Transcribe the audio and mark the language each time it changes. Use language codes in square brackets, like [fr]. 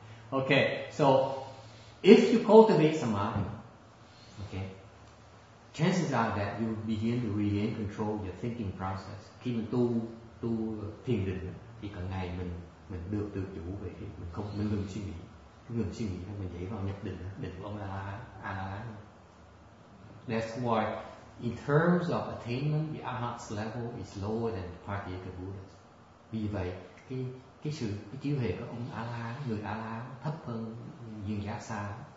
[en] Okay, so if you cultivate samadhi, okay, chances are that you begin to regain control your thinking process. [vi] Khi mình tu thiền định thì cả ngày mình được tự chủ về mình không mình ngừng suy nghĩ. Ngừng suy nghĩ là mình dậy vào nhập định, định của ông là A-la-hán. [en] That's why, in terms of attainment, the Arhat's level is lower than the Pratyeka Buddha's. [vi] Vì vậy, cái chiêu hề của ông A-la-hán, người A-la-hán thấp hơn duyên giác xa.